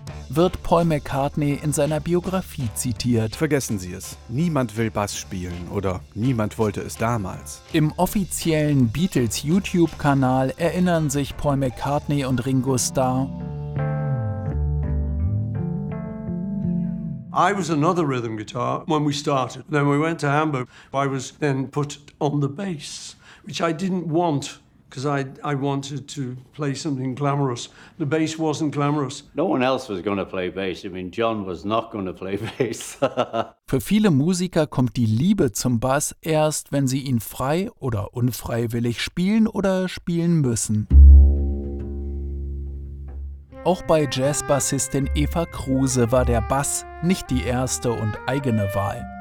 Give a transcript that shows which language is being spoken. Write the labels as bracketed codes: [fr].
[de] Wird Paul McCartney in seiner Biografie zitiert. Vergessen Sie es. Niemand will Bass spielen oder niemand wollte es damals. Im offiziellen Beatles-YouTube-Kanal erinnern sich Paul McCartney und Ringo Starr. [en] I was another rhythm guitar when we started. Then we went to Hamburg. I was then put on the bass, which I didn't want. Because I wanted to play something glamorous. The bass wasn't glamorous. No one else was going to play bass. I mean, John was not going to play bass. [de] Für viele Musiker kommt die Liebe zum Bass erst, wenn sie ihn frei oder unfreiwillig spielen oder spielen müssen. Auch bei Jazzbassistin Eva Kruse war der Bass nicht die erste und eigene Wahl.